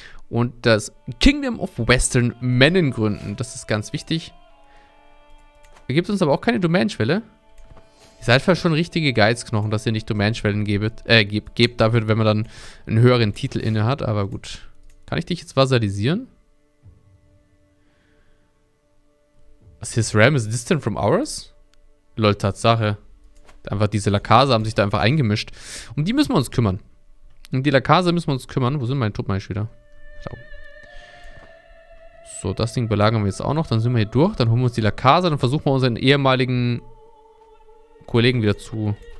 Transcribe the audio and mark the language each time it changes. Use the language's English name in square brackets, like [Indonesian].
[German] Und das Kingdom of Western Menen gründen. Das ist ganz wichtig. Da gibt es uns aber auch keine Domänenschwelle. Ihr seid vielleicht schon richtige Geizknochen, dass ihr nicht Domänenschwellen gebt dafür, wenn man dann einen höheren Titel inne hat. Aber gut. Kann ich dich jetzt vasalisieren? [English] Was, his realm is distant from ours? [German] Lol, Tatsache. Einfach diese Lakase haben sich da einfach eingemischt. Um die müssen wir uns kümmern. Um die Lakase müssen wir uns kümmern. Wo sind meine Truppen eigentlich wieder? So, das Ding belagern wir jetzt auch noch. Dann sind wir hier durch. Dann holen wir uns die Lakase. Dann versuchen wir unseren ehemaligen Kollegen wieder zu.